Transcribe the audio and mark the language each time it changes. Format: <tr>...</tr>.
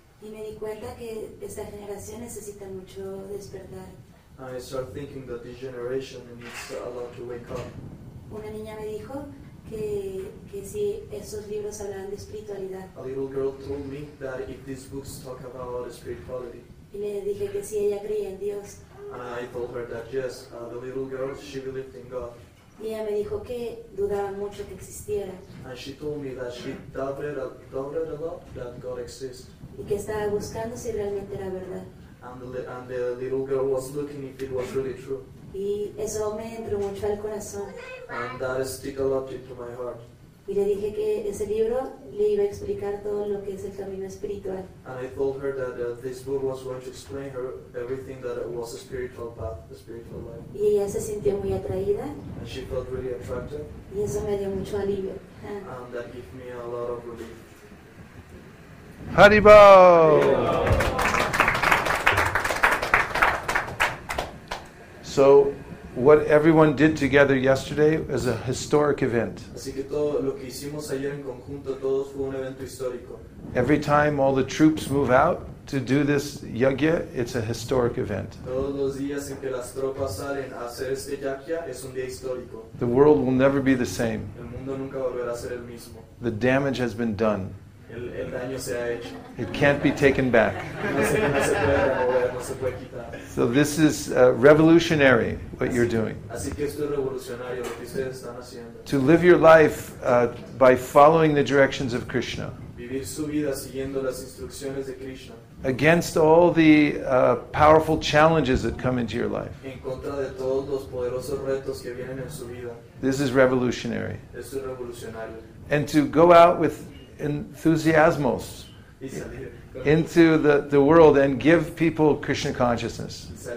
<es>Y me di cuenta que esta generación necesita mucho despertar.</es> <en>I started thinking that this generation needs a lot to wake up.</en> <es>Una niña me dijo. Que si esos libros hablaban de espiritualidad.</es> <en>A little girl told me that if these books talk about spirituality.</en> <es>Y le dije que si ella creía en Dios.</es> <en>I told her that yes, the little girl, she believed in God.</en> <es>Y ella me dijo que dudaba mucho que existiera.</es> <en>And she told me that she doubted a lot that God exists.</en> <es>Y que estaba buscando si realmente era verdad.</es> <en>And the little girl was looking if it was really true.</en> <es>Y eso me entró mucho al corazón.</es> <en>And that stick a lot into my heart.</en> <es>Y le dije que ese libro le iba a explicar todo lo que es el camino espiritual.</es> <en>And I told her that this book was going to explain her everything that it was a spiritual path, a spiritual life.</en> <es>Y ella se sintió muy atraída.</es> <en>And she felt really attracted.</en> <es>Y eso me dio mucho alivio.</es> <en>And that gave me a lot of relief. Haribo! So, what everyone did together yesterday is a historic event.</en> <es>Así que todo lo que hicimos ayer en conjunto todos fue un evento histórico.</es> <en>Every time all the troops move out to do this yagya, it's a historic event.</en> <es>Todos los días en que las tropas salen a hacer este yagya es un día histórico.</es> <en>The world will never be the same.</en> <es>El mundo nunca volverá a ser el mismo.</es> <en>The damage has been done.</en> <es>El daño se ha hecho.</es> <en>It can't be taken back.</en> <es>No se puede</es> <en>so this is revolutionary what you're doing.</en> <es>Así que esto es revolucionario lo que ustedes están haciendo.</es> <en>To live your life by following the directions of Krishna.</en> <es>Vivir su vida siguiendo las instrucciones de Krishna.</es> <en>Against all the powerful challenges that come into your life.</en> <es>En contra de todos los poderosos retos que vienen en su vida.</es> <en>This is revolutionary.</en> <es>Esto es revolucionario.</es> <en>And to go out with enthusiasmos into the world and give people Krishna consciousness.</en>